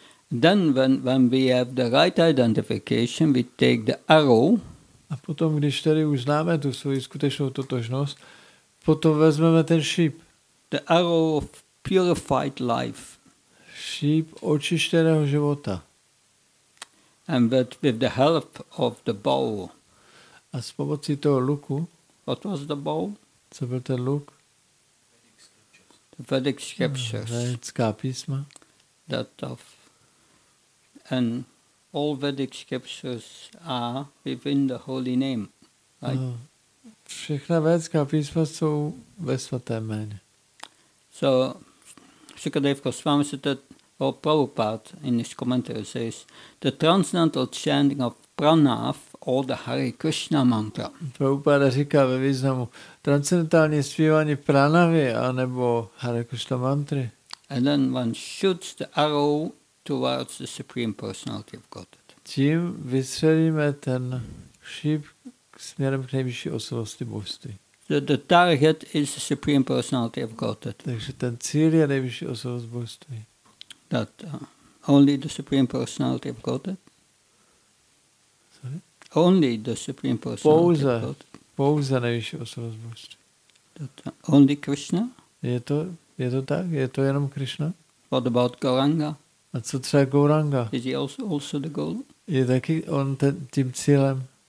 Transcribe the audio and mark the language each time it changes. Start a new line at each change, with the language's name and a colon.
English: Then when we have the right identification, we take the arrow.
Czech: A potom, když tady už známe tu svoji skutečnou totožnost, potom vezmeme ten šíp.
English: The arrow of purified life.
Czech: Šíp očištěného života.
English: And with the help of the bow.
Czech: A s pomocí toho luku.
English: What was the bow?
Czech: Co byl ten luk?
English: The Vedic scriptures.
Czech: Vedická písma.
English: That of and all Vedic scriptures are within the holy name. Right?
Czech: Všechna védská písma jsou ve svatém jméně.
English: So, Sukadev Goswami said that, or Prabhupada in his commentary says, the transcendental chanting of pranav or the Hare Krishna mantra.
Czech: Prabhupada říká ve významu, transcendentální zpívání pranavy anebo Hare Krishna mantry.
English: And then one shoots the arrow towards the supreme personality of Godhead.
Czech: Tím vystřelíme ten šíp směrem k nejvyšší osobnosti božství.
English: The target is the supreme personality of Godhead.
Czech: Takže ten cíl je nejvyšší osobnost božství.
English: That only the supreme personality of Godhead. Sorry? Only the supreme personality of Godhead.
Czech: Pouze nejvyšší osobnost božství.
English: That only Krishna.
Czech: Je to tak? Je to jenom Krishna?
English: What about Gauranga?
Czech: A co třeba Gauranga?
English: Is he also the goal?
Czech: Je taky on tím cílem?